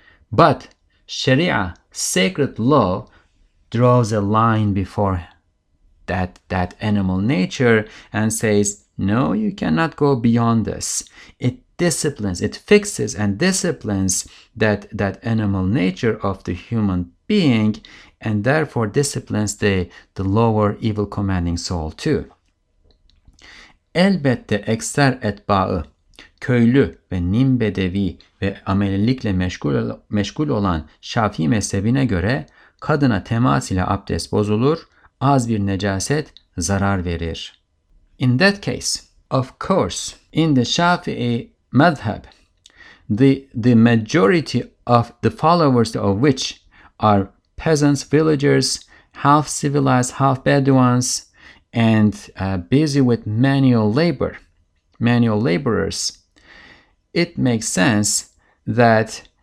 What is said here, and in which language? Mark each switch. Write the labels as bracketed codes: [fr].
[en] But Sharia, sacred law, draws a line before that animal nature and says, no, you cannot go beyond this. It disciplines, it fixes and disciplines that animal nature of the human being, and therefore disciplines the lower evil commanding soul too. [tr] Elbette ekser etba'ı, köylü ve nimbedevi ve amelilikle meşgul olan Şafii mezhebine göre kadına temas ile abdest bozulur, az bir necaset zarar verir. [en] In that case, of course, in the Shafi'i madhab, the majority of the followers of which are peasants, villagers, half civilized, half Bedouins, and busy with manual laborers, it makes sense that